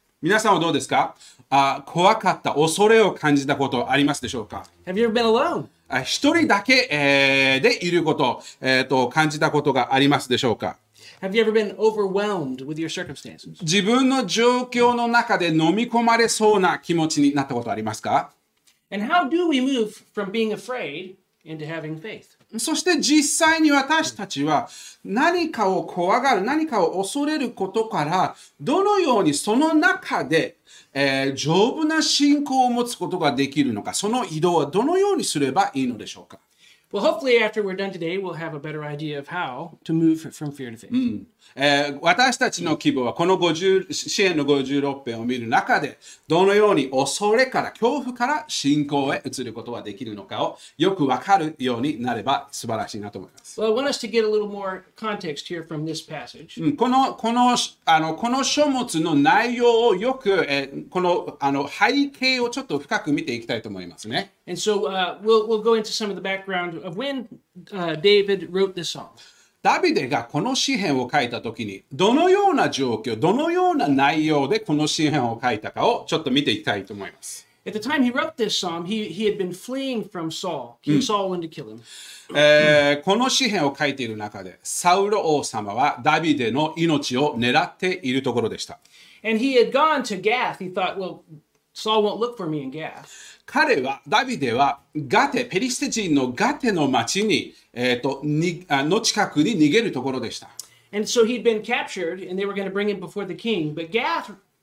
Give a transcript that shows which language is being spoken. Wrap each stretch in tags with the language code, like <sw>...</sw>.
<ja>皆さんはどうですか? 怖かった、恐れを感じたことありますでしょうか?</ja> <en>Have you ever been alone?</en> <ja>一人だけ、でいること、感じたことがありますでしょうか?</ja> <en>Have you ever been overwhelmed with your circumstances?</en> <ja>自分の状況の中で飲み込まれそうな気持ちになったことありますか?</ja> <en>And how do we move from being afraid into having faith?</en> <ja>そして実際に私たちは何かを怖がる、何かを恐れることからどのようにその中で丈夫な信仰を持つことができるのか、その移動はどのようにすればいいのでしょうか。</ja> <en>Well, hopefully after we're done today, we'll have a better idea of how to move from fear to faith.</en> <ja>私たちの希望はこの詩編の56編を見る中で、どのように恐れから恐怖から信仰へ移ることができるのかをよくわかるようになれば素晴らしいなと思います。</ja> <en>Well, I want us to get a little more context here from this passage.</en> <ja>この書物の内容をよく、背景をちょっと深く見ていきたいと思いますね。</ja> <en>And so we'll go into some of the background of when David wrote this song.</en> <ja>ダビデがこの詩編を書いたときに、どのような状況、どのような内容でこの詩編を書いたかをちょっと見ていきたいと思います。</ja> <en>At the time he wrote this psalm, he had been fleeing from Saul. King Saul wanted to kill him.</en> <ja>この詩編を書いている中で、サウル王様はダビデの命を狙っているところでした。</ja> <en>And he had gone to Gath. He thought, well, Saul won't look for me in Gath.</en> <ja>彼は、ダビデはガテ、ペリシテ人のガテの町に、の近くに逃げるところでした。</ja> <en>And so he'd been captured and they were going to bring him before the king, but Gath</en>